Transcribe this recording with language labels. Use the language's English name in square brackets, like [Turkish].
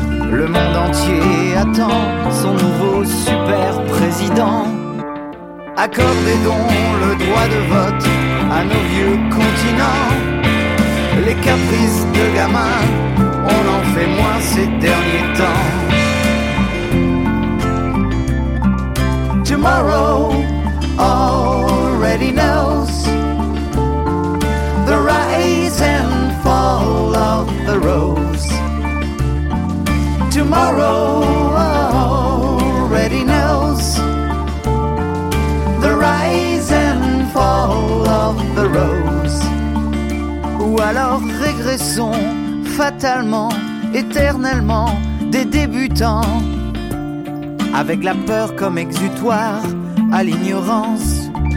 [French] Le monde entier attend son nouveau super président. Accordez donc le droit de vote à nos vieux continents. Les caprices de gamins, on en fait moins ces derniers temps. [English] Tomorrow already knows the rise and fall of the rose. Tomorrow already knows the rise and fall of the rose. [French] Ou alors régressons fatalement, éternellement, des débutants. Avec la peur comme exutoire à l'ignorance.